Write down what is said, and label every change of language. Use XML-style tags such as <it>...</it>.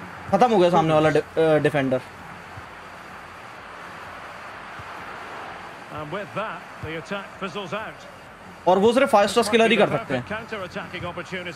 <hi>खत्म हो गया सामने वाला defender.</hi> <en>And with that, the attack fizzles out.</en> <hi>और वो सिर्फ फाइव स्टार स्किलर ही कर सकते हैं.</hi>